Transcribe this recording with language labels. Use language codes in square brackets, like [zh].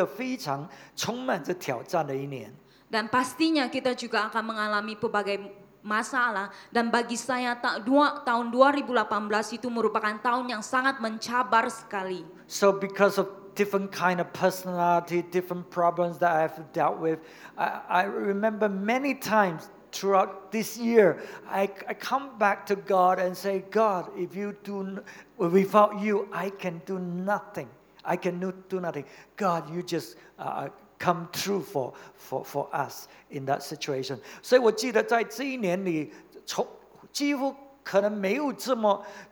[zh] 所以我们当然面对好一些，也面对好一些的问题。我个人来讲呢，2018年呢是一个非常充满着挑战的一年。 [ms] Dan pastinya kita juga akan mengalami berbagai masalah. Dan bagi saya tahun 2018 itu merupakan tahun yang sangat mencabar sekali. [en] So because of different kind of personality, different problems that I have dealt with. I remember many times throughout this year, I come back to God and say, God, if you do without you, I can do nothing. I can do nothing. God, you just come true for us in that situation. [zh] 所以我记得在这一年里，从几乎可能没有这么。